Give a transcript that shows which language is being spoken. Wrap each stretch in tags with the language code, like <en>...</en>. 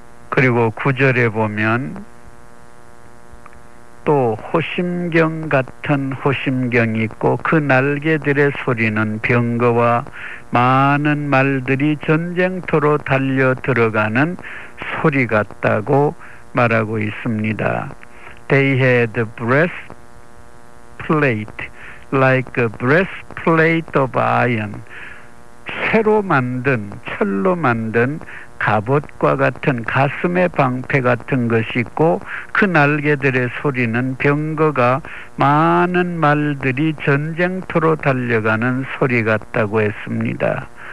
<ko>그리고 9절에 보면 또 호심경 같은 호심경이 있고 그 날개들의 소리는 병거와 많은 말들이 전쟁터로 달려 들어가는 소리 같다고 말하고 있습니다.</ko> <en>They had a breastplate like a breastplate of iron.</en> <ko>쇠로 만든, 철로 만든 갑옷과 같은 가슴의 방패 같은 것이 있고 그 날개들의 소리는 병거가 많은 말들이 전쟁터로 달려가는 소리 같다고 했습니다.</ko>